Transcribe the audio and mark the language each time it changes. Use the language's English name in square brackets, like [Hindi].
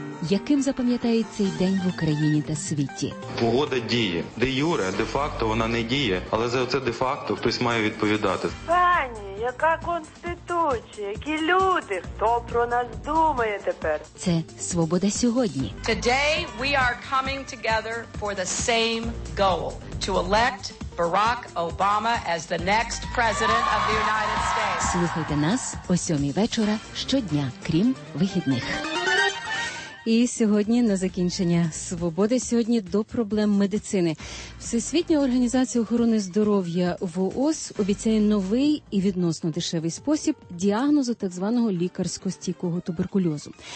[Ukrainian] Яким запам'ятає цей день в Україні та світі? Погода діє. Де юре, де факто вона не діє, але за це де факто хтось має відповідати. Пані, яка конституція, які люди, хто про нас думає тепер? Це «Свобода сьогодні». [English] Today we are coming together for the same goal – to elect Barack Obama as the next president of the United States. [Ukrainian] Слухайте нас о 7 вечора щодня, крім вихідних. І сьогодні на закінчення «Свободи сьогодні» до проблем медицини. Всесвітня організація охорони здоров'я ВООЗ обіцяє новий і відносно дешевий спосіб діагнозу так званого лікарсько-стійкого туберкульозу.